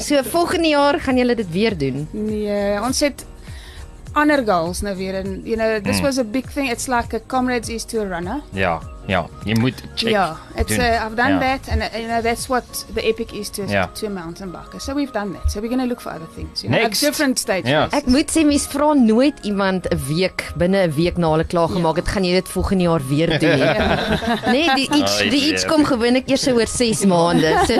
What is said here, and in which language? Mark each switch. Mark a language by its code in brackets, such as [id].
[af] So volgende jaar gaan julle dit weer doen. Nee, ons het ander goals nou weer en [en] you know, this was a big thing. It's like a comrades is to a runner. [af] Ja, ja. Jy moet check. [en] Ja, it's I've done that and you know that's what the epic is to to a mountain biker. So we've done that. So we're going to look for other things, you know, next. At different stages. [af] Ja. Ek moet sê mes vra nooit iemand 'n week binne 'n week na hulle klaar gemaak het, gaan jy dit volgende jaar weer doen nie. Nee, die iets kom gewoonlik eers oor 6 maande.